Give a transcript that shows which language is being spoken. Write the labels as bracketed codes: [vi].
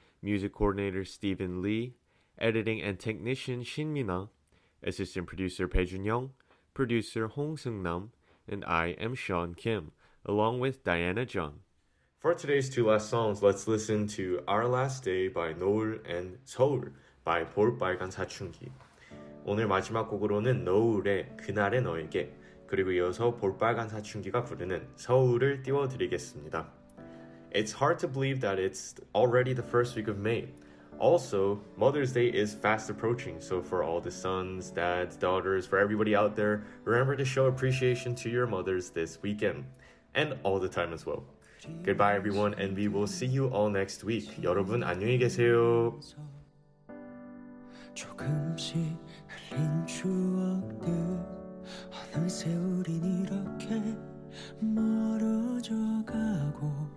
[en] music coordinator Stephen Lee, editing and technician Shin Min-a, assistant producer Pei Jun-young, producer Hong Seung-nam, and I am Sean Kim, along with Diana Jung. For today's two last songs, let's listen to Our Last Day by Noel and Seoul by 볼 빨간 사춘기. [ko] 오늘 마지막 곡으로는 노을의 그날의 너에게, 그리고 이어서 볼 빨간 사춘기가 부르는 서울을 띄워드리겠습니다. [en] It's hard to believe that it's already the first week of May. Also, Mother's Day is fast approaching, so for all the sons, dads, daughters, for everybody out there, remember to show appreciation to your mothers this weekend, and all the time as well. Goodbye everyone, and we will see you all next week. [ko] 여러분 안녕히 계세요. 조금씩 흘린 추억들 어느 세월인 이렇게 멀어져가고